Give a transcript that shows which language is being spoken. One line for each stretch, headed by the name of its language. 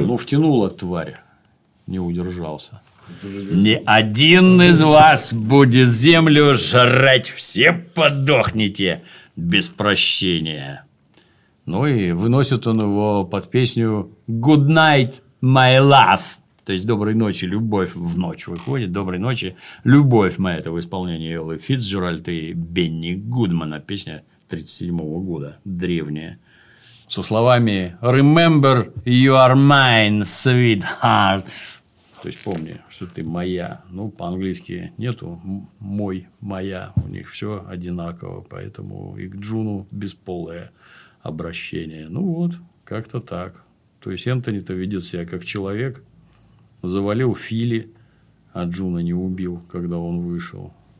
Russian: ну, втянула тварь, не удержался. Ни один из вас будет землю жрать, все подохнете без прощения. Ну, и выносит он его под песню
English: «Good night, my love».
Russian: То есть, «Доброй ночи, любовь» в ночь выходит. «Доброй ночи, любовь» моя, это в исполнении Эллы Фицджеральд и Бенни Гудмана. Песня 1937 года, древняя. Со словами
English: «Remember, you are mine, sweetheart».
Russian: То есть, помни, что ты моя. Ну, по-английски нету «мой», «моя». У них все одинаково. Поэтому и к Джуну бесполое обращение. Ну, вот, как-то так. То есть, Энтони-то ведет себя как человек. Завалил Фили, а Джуна не убил, когда он вышел.